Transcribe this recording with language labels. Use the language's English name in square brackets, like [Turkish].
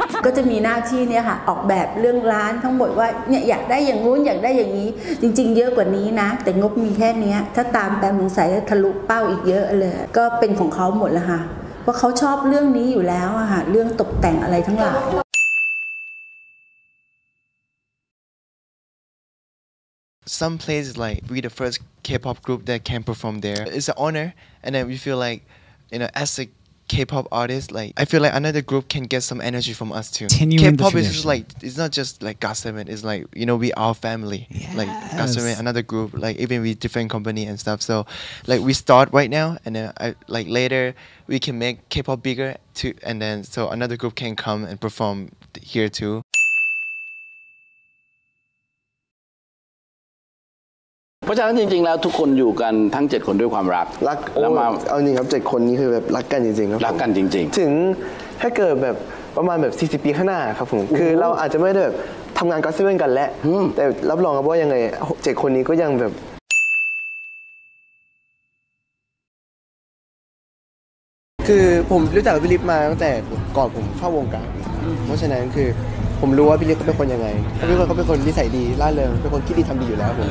[Thai] ก็จะมีหน้าที่เนี่ยค่ะออกแบบเรื่องร้านทั้งหมดว่าเนี่ยอยากได้อย่างงู้นอยากได้อย่างนี้จริงๆเยอะกว่านี้นะแต่งบมีแค่นี้ถ้าตามแบบสงสัยทะลุเป้าอีกเยอะเลยก็เป็นของเขาหมดแล้วค่ะว่าเขาชอบเรื่องนี้อยู่แล้วค่ะเรื่องตกแต่งอะไรทั้งหลาย [English] Some places like we the first K-pop group that can perform there. It's an honor, and then we feel like, you know, as a K-pop artist, like I feel like another group can get some energy from us too. K-pop is just like it's not just like Got7. It's like, you know, we are family. Yes. Like Got7, another group, like even with different company and stuff. So, like we start right now, and then I like later we can make K-pop bigger too, and then so another group can come and perform here too. [Thai] เพราะฉะนั้นจริงๆแล้วทุกคนอยู่กันทั้ง7คนด้วยความรัก รักแล้วมาเอานี่ครับ7คนนี้คือแบบรักกันจริงๆครับ รักกันจริง ๆถึงถ้าเกิดแบบประมาณแบบ40ปีข้างหน้าครับผมคือเราอาจจะไม่ได้แบบทำงานกับ7กันแล้วแต่รับรองครับว่ายังไง7คนนี้ก็ยังแบบคือผมรู้จักพี่ลิฟมาตั้งแต่ก่อนผมเข้าวงการเพราะฉะนั้นคือผมรู้ว่าพี่เล็กเขาเป็นคนยังไงพี่เล็กเขาเป็นคนนิสัยดีร่าเริงเป็นคนคิดดีทำดีอยู่แล้วผ